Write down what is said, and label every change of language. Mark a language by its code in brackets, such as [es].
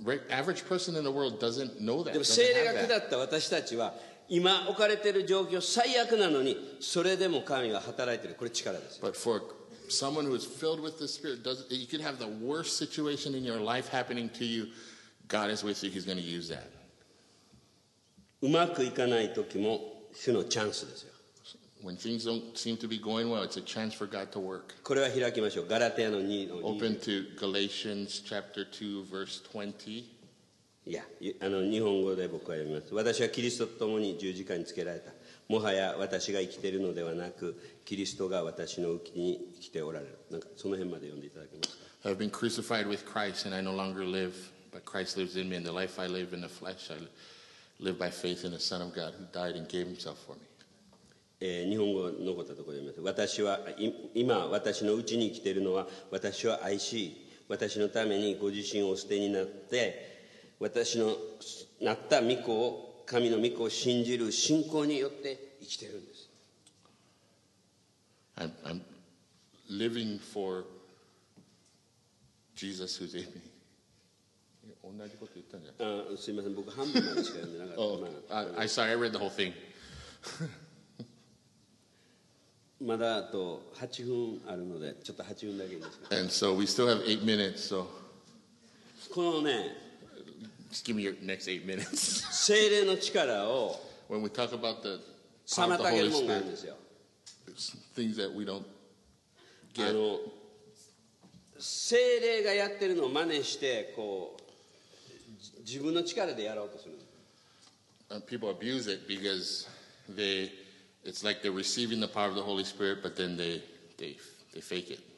[en] Average person in the world doesn't know that. [ja] でも聖霊が下った私たちは今置かれている状況最悪なのにそれでも神は働いている。これ力です。 [en] But for someone who is filled with the Spirit, you can have the worst situation in your life happening to you. God is with you. He's going to use that. [ja] うまくいかない時も主のチャンスですよ。 [en] When things don't seem to be going well, it's a chance for God to work. [ja] これは開きましょう。ガラテヤの2の [en] 2。 Open to Galatians chapter 2 verse 20. [ja] Yeah, あの日本語で僕は読みます。私はキリストと共に十字架につけられた。もはや私が生きているのではなく、キリストが私のうちに生きておられる。なんかその辺まで読んでいただけますか。 [en] I have been crucified with Christ, and I no longer live, but Christ lives in me, and the life I live in the flesh, I live by faith in the Son of God who died and gave himself for me. [ja] 日本語残ったところで言います。私は今私のうちに生きているのは私を愛し私のためにご自身をお捨てになって私のなった御子を神の御子を信じる信仰によって生きているんです。 [en] I'm living for Jesus who's in me。 [ja] 同じこと言ったんじゃない？すみません、僕半分までしか読んでなかった。 [en] I'm sorry, I read the whole thing. [ja] まだあと8分あるのでちょっと8分だけいいですか。 [en] And so we still have 8 minutes, so [ja] このね、 [en] Just give me your next 8 minutes. [ja] 聖霊の力を [en] When we talk about the power of the Holy Spirit, things that we don't get. [ja] 聖霊がやってるのを真似してこう自分の力でやろうとする。 [en] And people abuse it because theyIt's like they're receiving the power of the Holy Spirit, but then they fake it.